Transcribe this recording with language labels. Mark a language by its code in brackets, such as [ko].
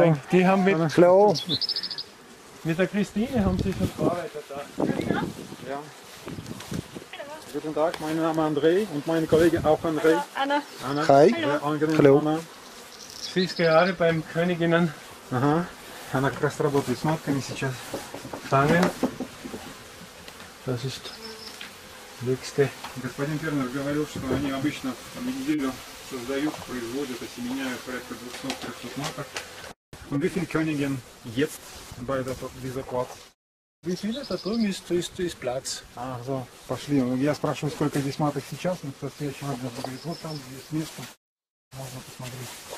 [de] Die haben mit der Christine haben sie schon gearbeitet. Guten Tag, mein Name Andrei und mein Kollege auch Andrei. Anna. Hi. Hallo. Sie ist gerade beim Königinnen. [ru] Она как раз работает с матками сейчас. [de] Das ist nächste. [ru] Господин Пернер говорил, что они обычно неделю создают, производят, осеменяют порядка 200-300 маток. [de] Und wie viel Königin jetzt bei dieser Platz? Wie viel da drüben ist Platz? Ach so, [ru] пошли. Я спрашиваю, сколько здесь маток сейчас, но просто я человек говорит, вот там есть место, можно посмотреть.